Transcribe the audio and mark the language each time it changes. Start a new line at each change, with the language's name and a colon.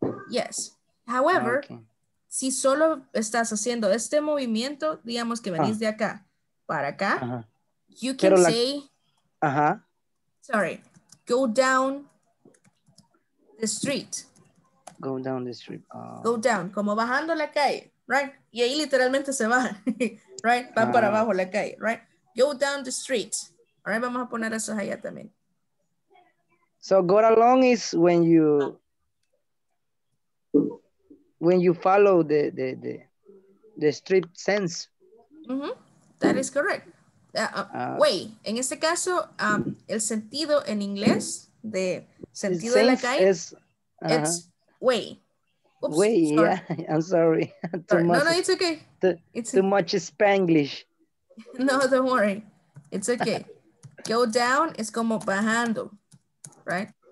Spanish: Yes. However, okay. Si solo estás haciendo este movimiento, digamos que venís de acá para acá, you can say, go down the street.
English: Go down the street.
Spanish: Go down, como bajando la calle, right? Y ahí literalmente se va, right? Va para abajo la calle, right? Go down the street. All right, vamos a poner esos allá también.
English: So go along is when you follow the street sense. Mm-hmm. That is correct.
Spanish: Way, en este caso, el sentido en inglés de sentido de la calle
English: is, it's way. Oops, way, sorry. Yeah, I'm sorry. Too much, no, it's okay. Too much Spanglish. No, don't worry. It's okay. Go down is como bajando, right?